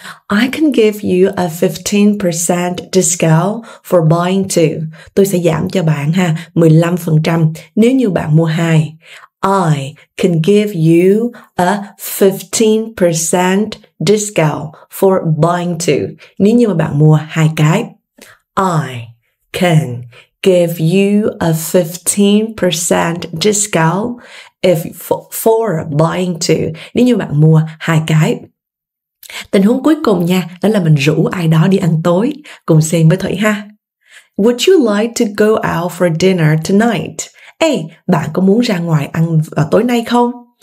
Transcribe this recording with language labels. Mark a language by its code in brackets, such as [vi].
[en] I can give you a 15% discount for buying two. [vi] Tôi sẽ giảm cho bạn ha 15% nếu như bạn mua hai. [en] I can give you a 15% discount for buying two. [vi] Nếu như mà bạn mua hai cái. [en] I can give you a 15% discount for buying two. [vi] Nếu như bạn mua hai cái. Tình huống cuối cùng nha, đó là mình rủ ai đó đi ăn tối. Cùng xem với Thủy ha. [en] Would you like to go out for dinner tonight? [vi] Ê, bạn có muốn ra ngoài ăn vào tối nay không?